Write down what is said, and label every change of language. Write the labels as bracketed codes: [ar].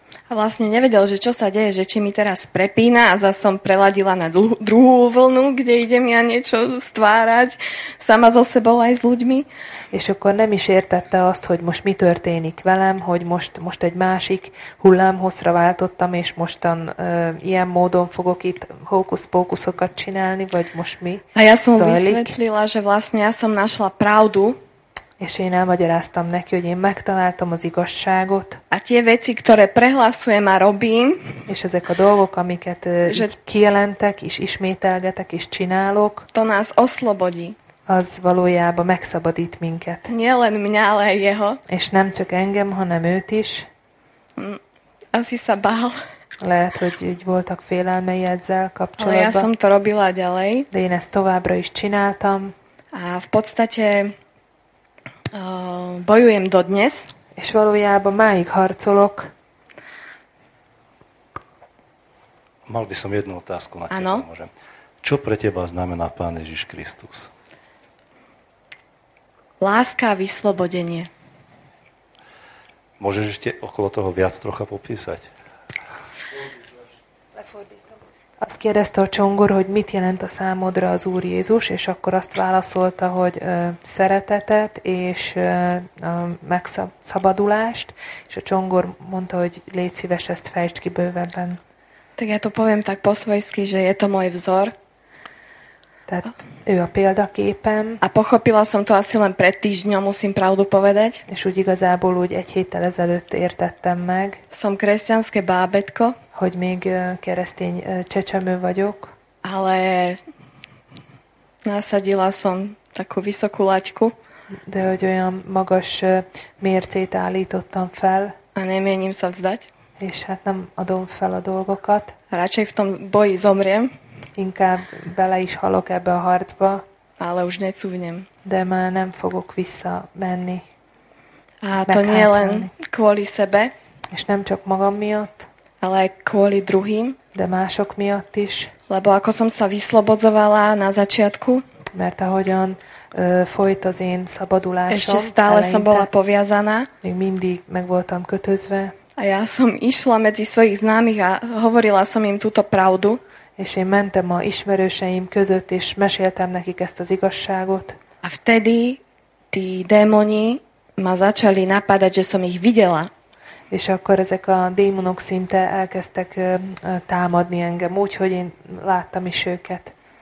[sk] A vlastne nevedel, že čo sa deje, že či mi teraz prepína a zase som preladila na druhú vlnu, kde idem ja niečo stvárať sama so sebou aj s ľuďmi. [hu] És akkor nem is értette azt, hogy most mi történik velem, hogy most egy másik hullámhosszra váltottam, és mostan ilyen módon fogok itt hókusz-pókuszokat csinálni, vagy most mi [sk] a ja som zajlik. Vysvetlila, že vlastne ja som našla pravdu. [hu] És én elmagyaráztam neki, hogy én megtaláltam az igazságot. [sk] A tie veci, ktoré prehlasujem a robím. [hu] És ezek a dolgok, amiket kijelentek, és ismételgetek, és csinálok. [sk] To nás oslobodí. [hu] Az valójában megszabadít minket. [sk] Nielen mňa, ale jeho. [hu] És nem csak engem, hanem őt is. [sk] Asi sa bál. [hu] Lehet, hogy úgy voltak félelmei ezzel kapcsolatban. [sk] Ale ja som to robila ďalej. [hu] De én ezt továbbra is csináltam. [sk] A v podstate bojujem dodnes. [hu] És valójában máig harcolok. [sk] Mal by som jednu otázku na teba. Čo pre teba znamená Pán Ježiš Kristus? Láska a vyslobodenie. Môžeš ešte okolo toho viac trocha popísať? [hu] Azt kérdezte a Čongor, hogy mit jelent a számodra az Úr Jézus, és akkor azt válaszolta, hogy szeretetet és megszabadulást, és a Čongor mondta, hogy légy szíves, ezt fejtsd ki bővebben. [sk] Tehát to poviem tak po svojsky, že je to môj vzor. [hu] Tehát ő a példaképem. [sk] A pochopila som to asi len pred týždňom, musím pravdu povedať. [hu] És úgy igazából úgy egy héttel ezelőtt értettem meg. [sk] Som kresťanské bábetko. [hu] Hogy még keresztény csecsemő vagyok. [sk] Ale nasadila som takú vysokú laťku. [hu] De hogy olyan magas mércét állítottam fel. [sk] A nemienim sa vzdať. [hu] És hát nem adom fel a dolgokat. [sk] Radšej v tom boji zomriem. [hu] inkább bele is halok ebbe a harcba. [sk] Ale už necúvnem. [hu] De már nem fogok visszamenni. [sk] A to nie len kvôli sebe. [hu] És nem csak magam miatt. [sk] Ale aj kvôli druhým. [hu] De mások miatt is. [sk] Lebo ako som sa vyslobodzovala na začiatku. [hu] Mert ahogyan folyt az én szabadulásom. [sk] Ešte stále eleinte, som bola poviazaná. [hu] Még mindig meg voltam kötözve. [sk] A ja som išla medzi svojich známych a hovorila som im túto pravdu. [hu] És én mentem a ismerőseim között, és meséltem nekik ezt az igazságot. [sk] A vtedy tí démoni ma začali napadať, že som ich videla. [hu] És akkor ezek a démonok szinte elkezdtek támadni engem, úgyhogy én láttam is őket.